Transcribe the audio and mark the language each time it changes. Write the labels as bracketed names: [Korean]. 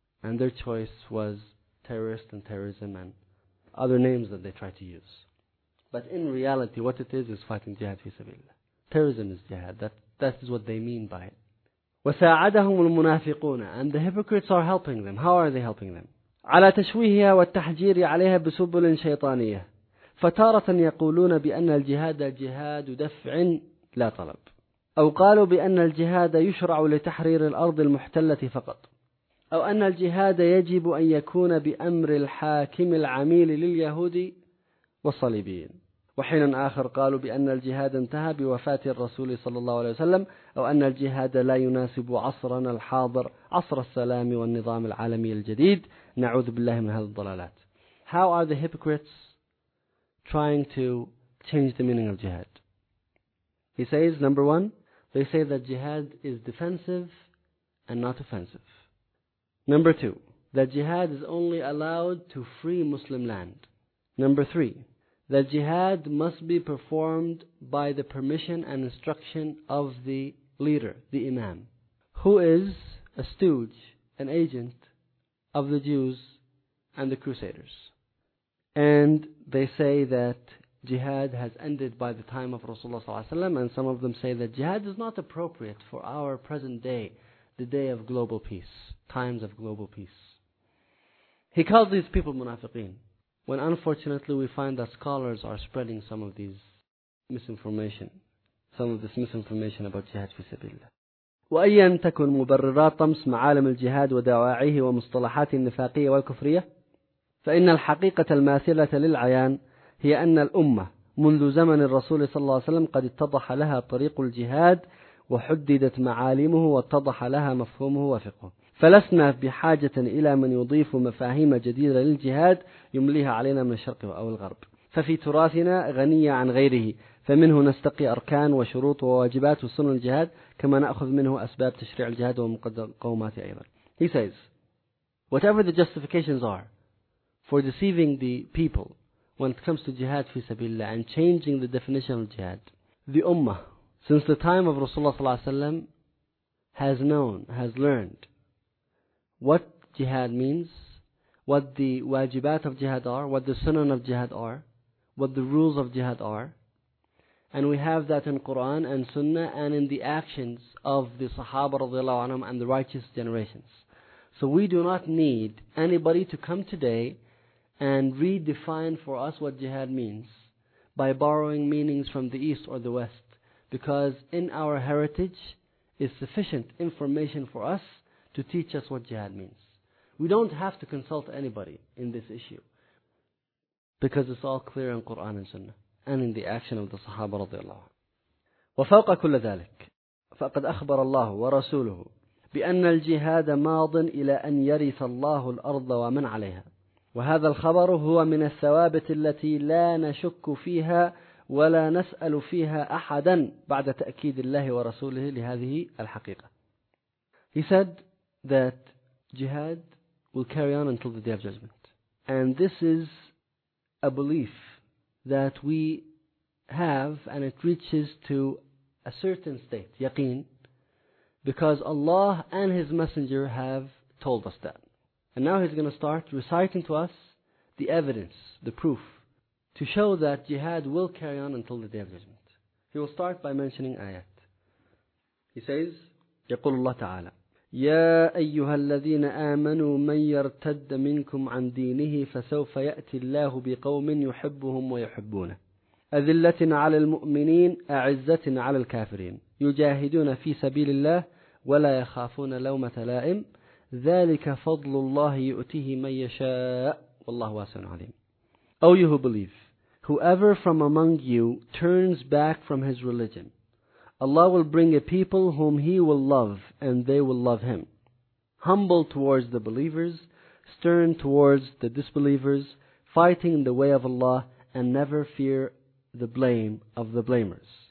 [English] And their choice was terrorist and terrorism and other names that they try to use. But in reality, what it is fighting jihad fi sabilillah. Terrorism is jihad. That is what they mean by it. [Arabic] وساعدهم المنافقون, [English] and the hypocrites are helping them. How are they helping them? [Arabic] على تشويهها والتحجير عليها بسبل شيطانية. فتارة يقولون بأن الجهاد جهاد دفع لا طلب, أو قالوا بأن الجهاد يشرع لتحرير الأرض المحتلة فقط, أو أن الجهاد يجب أن يكون بأمر الحاكم العميل لليهود والصليبيين, وحين آخر قالوا بأن الجهاد انتهى بوفاة الرسول صلى الله عليه وسلم, أو أن الجهاد لا يناسب عصرنا الحاضر, عصر السلام والنظام العالمي الجديد. نعوذ بالله من هذه الضلالات. [English] How are the hypocrites trying to change the meaning of jihad? He says, number one, they say that jihad is defensive and not offensive. Number two, that jihad is only allowed to free Muslim land. Number three, that jihad must be performed by the permission and instruction of the leader, the imam, who is a stooge, an agent of the Jews and the Crusaders. And they say that jihad has ended by the time of Rasulullah ﷺ, and some of them say that jihad is not appropriate for our present day, the day of global peace, times of global peace. He calls these people munafiqeen, when unfortunately we find that scholars are spreading some of these misinformation, some of this misinformation about jihad fi sabilillah. [Arabic] وَأَيَّنْ تَكُنْ مُبَرِّرَاتَ طَمْسْ مَعَالَمِ الْجِهَادِ وَدَوَاعِيهِ وَمُصْطَلَحَاتِ النِّفَاقِيَةِ وَالْكُفْرِيَةِ فإن الحقيقة الماثلة للعيان هي أن الأمة منذ زمن الرسول صلى الله عليه وسلم قد اتضح لها طريق الجهاد وحددت معالمه واتضح لها مفهومه وفقه, فلسنا بحاجة إلى من يضيف مفاهيم جديدة للجهاد يمليها علينا من الشرق أو الغرب, ففي تراثنا غنية عن غيره, فمنه نستقي أركان وشروط وواجبات وسنن الجهاد كما نأخذ منه أسباب تشريع الجهاد ومقومات أيضا. [English] He says, whatever the justifications are for deceiving the people when it comes to jihad fi sabilillah and changing the definition of jihad, the ummah, since the time of Rasulullah ﷺ, has known, has learned what jihad means, what the wajibat of jihad are, what the sunan of jihad are, what the rules of jihad are, and we have that in Quran and Sunnah and in the actions of the Sahaba radiallahu anhum and the righteous generations. So we do not need anybody to come today and redefine for us what jihad means by borrowing meanings from the East or the West, because in our heritage is sufficient information for us to teach us what jihad means. We don't have to consult anybody in this issue because it's all clear in Quran and Sunnah and in the action of the Sahaba [Arabic] رضي الله عنه. وفوق كل ذلك فقد أخبر الله ورسوله بأن الجهاد ماض إلى أن يرث الله الأرض ومن عليها, وهذا الخبر هو من الثوابت التي لا نشك فيها ولا نسأل فيها أحدا بعد تأكيد الله ورسوله لهذه الحقيقة. [English] He said that jihad will carry on until the day of judgment. And this is a belief that we have and it reaches to a certain state, yaqeen, because Allah and His Messenger have told us that. And now He's going to start reciting to us the evidence, the proof, to show that jihad will carry on until the Day of Judgment. He will start by mentioning ayat. He says, [Arabic] يقول الله تعالى يا أيها الذين آمنوا من يرتد منكم عن دينه فسوف يأتي الله بقوم يحبهم ويحبونه أذلة على المؤمنين أعزة على الكافرين يجاهدون في سبيل الله ولا يخافون لومة لائم ذلك فضل الله يؤتيه من يشاء والله واسع عليم. [English] O you who believe, whoever from among you turns back from his religion, Allah will bring a people whom he will love and they will love him. Humble towards the believers, stern towards the disbelievers, fighting in the way of Allah and never fear the blame of the blamers.